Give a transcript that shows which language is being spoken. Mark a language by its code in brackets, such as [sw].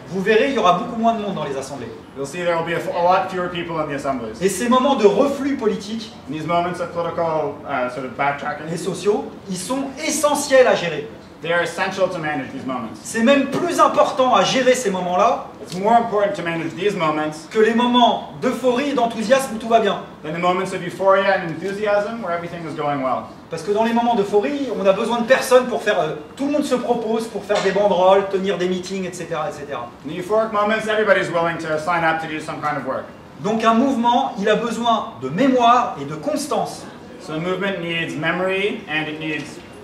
[fr] Vous verrez, il y aura beaucoup moins de monde dans les assemblées. [en] You'll see there will be a lot fewer people in the assemblies. [fr] Et ces moments de reflux politique, [en] and these moments of political sort of backtracking, [fr] et sociaux, ils sont essentiels à gérer. [en] They are essential to manage these moments. [fr] C'est même plus important à gérer ces moments-là. [en] It's more important to manage these moments. [fr] Que les moments d'euphorie et d'enthousiasme où tout va bien. [en] Than the moments of euphoria and enthusiasm where everything is going well. [fr] Parce que dans les moments d'euphorie, on a besoin de personne pour faire. Tout le monde se propose pour faire des banderoles, tenir des meetings, etc., etc. [en] In the euphoric moments, everybody's willing to sign up to do some kind of work. [fr] Donc un mouvement, il a besoin de mémoire et de constance. So a movement needs memory and it needs